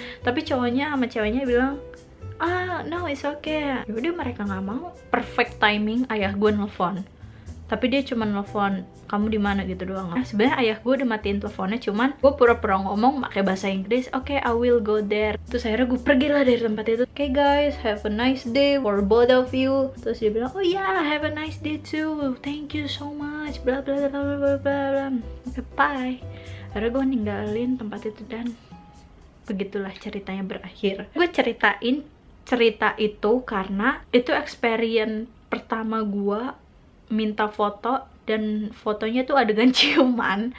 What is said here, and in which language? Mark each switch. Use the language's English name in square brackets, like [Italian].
[Indonesian] Tapi cowoknya sama ceweknya bilang, [English] ah no, it's okay. [Indonesian] Yaudah mereka nggak mau. Perfect timing ayah gue nelfon. Tapi dia cuma nelfon, kamu di mana gitu doang. Nah, sebenarnya ayah gue udah matiin teleponnya, cuman gue pura-pura ngomong pakai bahasa Inggris. [English] Okay, I will go there. [Indonesian] Terus akhirnya gue pergilah dari tempat itu. [English] Okay guys, have a nice day for both of you. [Indonesian] Terus dia bilang, [English] oh yeah, have a nice day too. Thank you so much. Blah blah blah blah blah blah. Okay, bye. [Indonesian] Akhirnya gue ninggalin tempat itu dan begitulah ceritanya berakhir. Gue ceritain cerita itu karena itu experience pertama gue minta foto dan fotonya tuh adegan ciuman.